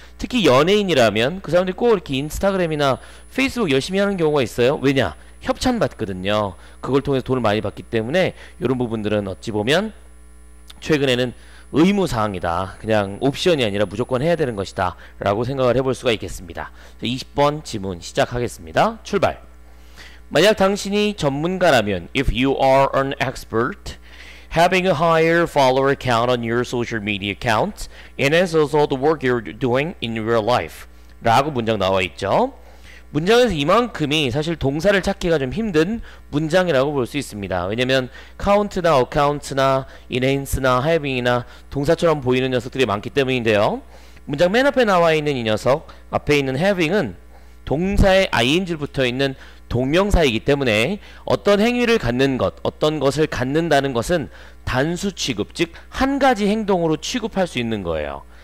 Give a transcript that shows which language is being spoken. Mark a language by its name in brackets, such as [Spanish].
[Korean] 특히 연예인이라면 그 사람들이 꼭 이렇게 인스타그램이나 페이스북 열심히 하는 경우가 있어요. 왜냐? 협찬 받거든요. 그걸 통해서 돈을 많이 받기 때문에 요런 부분들은 어찌 보면 최근에는 의무사항이다, 그냥 옵션이 아니라 무조건 해야 되는 것이다 라고 생각을 해볼 수가 있겠습니다. 20번 질문 시작하겠습니다. 출발. 만약 당신이 전문가라면, [English] if you are an expert, having a higher follower count on your social media account, and it's also the work you're doing in real life. [Korean] 라고 문장 나와 있죠. 문장에서 이만큼이 사실 동사를 찾기가 좀 힘든 문장이라고 볼 수 있습니다. 왜냐면 count나 account나 enhance나 having이나 동사처럼 보이는 녀석들이 많기 때문인데요. 문장 맨 앞에 나와 있는 이 녀석, 앞에 있는 having은 동사에 ing를 붙어 있는 동명사이기 때문에 어떤 행위를 갖는 것, 어떤 것을 갖는다는 것은 단수 취급, 즉 한 가지 행동으로 취급할 수 있는 거예요.